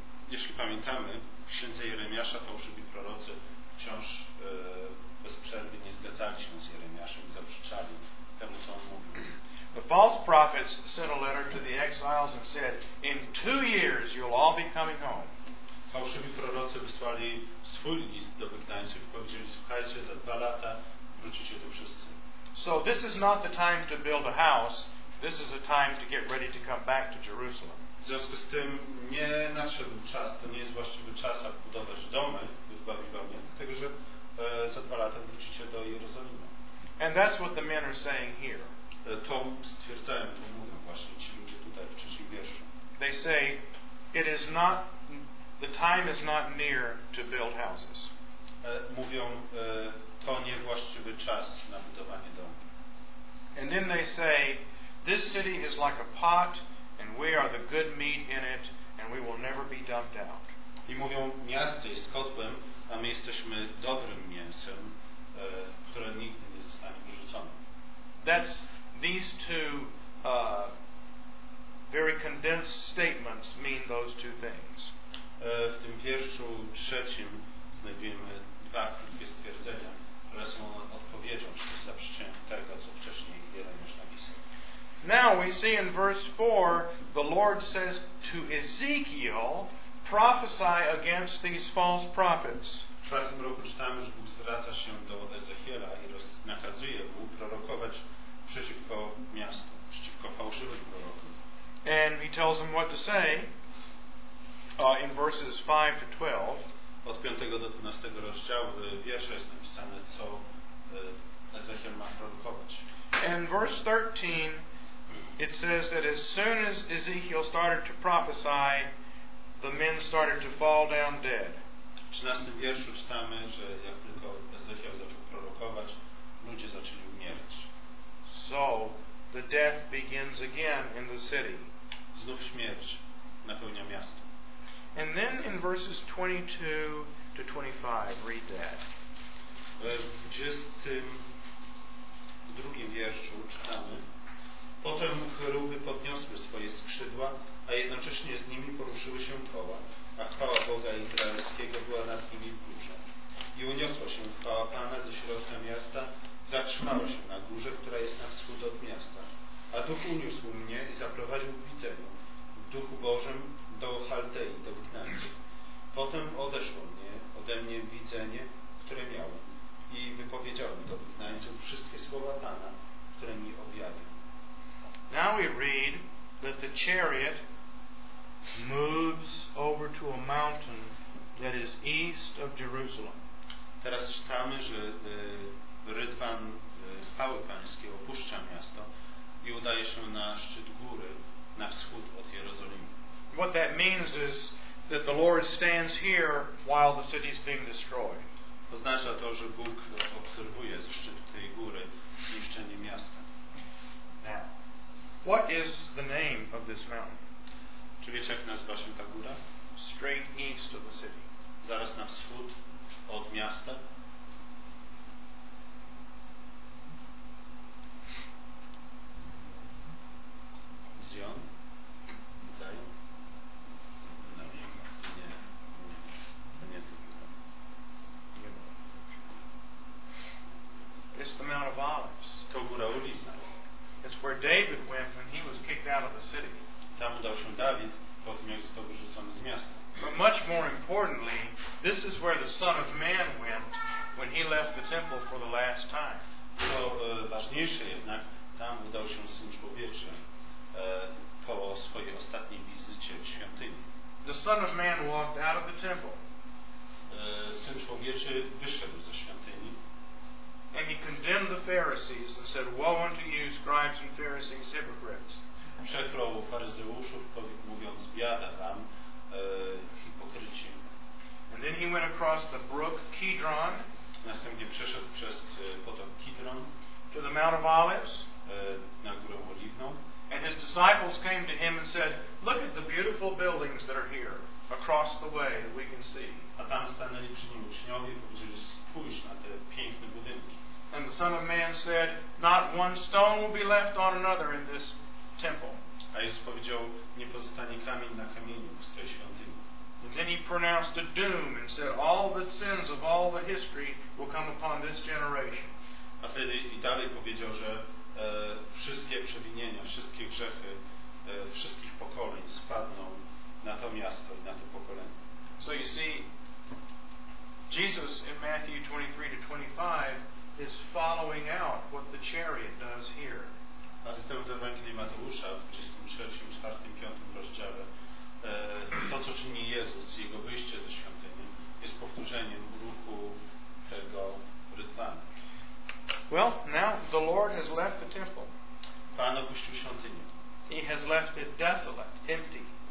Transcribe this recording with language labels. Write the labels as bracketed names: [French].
[Polish] Jeśli pamiętamy, w księdze Jeremiasza fałszywi prorocy wciąż bez przerwy nie zgadzali się z Jeremiaszem i zaprzeczali temu, co on mówił. [English] The false prophets sent a letter to the exiles and said, in 2 years you'll all be coming home. [Polish] Fałszywi prorocy wysłali swój list do wygnańców i powiedzieli, słuchajcie, za 2 lata wrócicie tu wszyscy. [English] So this is not the time to build a house, this is a time to get ready to come back to Jerusalem. [Polish] W związku z tym nie nadszedł czas, to nie jest właściwy czas, aby budować domy w Babilonie, dlatego że za 2 lata wrócicie do Jerozolimy. [English] And that's what the men are saying here. [Polish] To stwierdzają, to mówią właśnie ci ludzie tutaj w trzecim wierszu. [English] They say, it is not, the time is not near to build houses. [Polish] Mówią, to nie właściwy czas na budowanie domu. [English] And then they say, this city is like a pot, and we are the good meat in it, and we will never be dumped out. [Polish] I mówią, miasto jest kotłem, a my jesteśmy dobrym mięsem, które nigdy nie zostanie wyrzucone. [English] That's these two very condensed statements mean those two things. [Polish] W tym wierszu trzecim znajdujemy 2 krótkie stwierdzenia, które są odpowiedzią czy zaprzeczeniem tego, co wcześniej Jeremiasz napisał. [English] Now we see in verse 4 the Lord says to Ezekiel, prophesy against these false prophets. [Polish] W 4 roku czytamy, że Bóg zwraca się do Ezechiela i nakazuje mu prorokować przeciwko miastu, przeciwko fałszywym prorokom. [English] And he tells him what to say in verses 5 to 12. [Polish] Od 5 do 12 rozdziału wiersza jest napisane, co Ezechiel ma prorokować. [English] And verse 13 it says that as soon as Ezekiel started to prophesy, the men started to fall down dead. [Polish] W 13 wierszu czytamy, że jak tylko Ezechiel zaczął prorokować, ludzie zaczęli umierać. [English] So the death begins again in the city. [Polish] Znów śmierć napełnia miasto. [English] And then in verses 22 to 25, read that. [Polish] W 22 wierszu czytamy. Potem cheruby podniosły swoje skrzydła, a jednocześnie z nimi poruszyły się koła, a chwała Boga Izraelskiego była nad nimi w górze. I uniosła się chwała Pana ze środka miasta, zatrzymała się na górze, która jest na wschód od miasta. A Duch uniósł mnie i zaprowadził w widzeniu, w Duchu Bożym, do Chaldei, do wygnańców. Potem odeszło mnie, ode mnie widzenie, które miałem, i wypowiedziałem do wygnańców wszystkie słowa Pana, które mi objawił. [English] Now we read that the chariot moves over to a mountain that is east of Jerusalem. [Polish] Teraz czytamy, że rydwan chwały Pańskiej opuszcza miasto i udaje się na szczyt góry na wschód od Jerozolimy. [English] What that means is that the Lord stands here while the city is being destroyed. [Polish] Oznacza to, że Bóg obserwuje z szczytu tej góry niszczenie miasta. [English] Now, what is the name of this mountain? [Polish] Czy wiecie, jak nazywa się ta góra? [English] Straight east of the city. [Polish] Zaraz na wschód od miasta. Zion? Zion? No, nie. Nie. Nie. To nie to góra. Nie. [English] It's the Mount of Olives. [Polish] To góra Oliw. [English] It's where David went when he was kicked out of the city. [Polish] Tam udał się Dawid, po tym jak został wyrzucony z miasta. [English] But much more importantly, this is where the Son of Man went when he left the temple for the last time. [Polish] To ważniejsze jednak, tam udał się Syn Człowieczy po swojej ostatniej wizycie w świątyni. [English] The Son of Man walked out of the temple. [Polish] Syn Człowieczy wyszedł ze świątyni. [English] And he condemned the Pharisees. Pharisees and said, "Woe unto you, scribes and Pharisees, hypocrites." [Polish] Przeklął faryzeuszów, mówiąc, biada wam, hipokryci. [English] And then he went across the brook Kidron. [Polish] Następnie przeszedł przez potok Kidron. [English] To the Mount of Olives. [Polish] Na górę Oliwną. [English] And his disciples came to him and said, "Look at the beautiful buildings that are here across the way that we can see." [Polish] A tam stanęli przy nim uczniowie i powiedzieli, spójrz na te piękne budynki. [English] And the Son of Man said, "Not one stone will be left on another in this temple." [Polish] A Jezus powiedział, nie pozostanie kamień na kamieniu w tej świątyni. [English] And then he pronounced a doom and said, "All the sins of all the history will come upon this generation." [Polish] A wtedy i dalej powiedział, że wszystkie przewinienia, wszystkie grzechy wszystkich pokoleń spadną na to miasto i na to pokolenie. [English] So you see, Jesus in Matthew 23-25 is following out what the chariot does here. [Polish] A zatem w Ewangelii Mateusza w 23, 4, 5 rozdziale to, co czyni Jezus, jego wyjście ze świątyni, jest powtórzeniem ruchu tego rytwanu. [English] Well, now the Lord has left the temple. [Polish] Pan opuścił świątynię. [English] He has left it desolate, empty.